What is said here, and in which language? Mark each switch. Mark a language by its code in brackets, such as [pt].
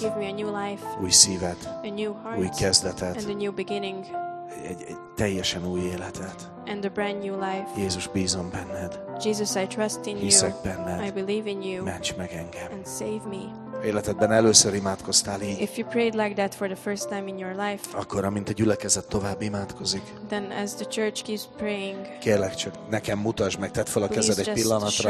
[en] Give me a new life. [hu] Új szívet. [en] A new heart. [hu] Új kezdetet. [en] And a new beginning. [hu] Egy teljesen új életet. [en] And a brand new life. [hu] Jézus, bízom benned. [en] Jesus, I trust in [hu] Hiszek benned. [en] I believe in you. [hu] Ments meg engem. [en] And save me. [hu] Életedben először imádkoztál így. [en] If you prayed like that for the first time in your life. [hu] Akkor, amint a gyülekezet tovább imádkozik. [en] Then as the church keeps praying. [hu] Kérlek csak, nekem mutasd meg, tedd fel a kezed egy pillanatra.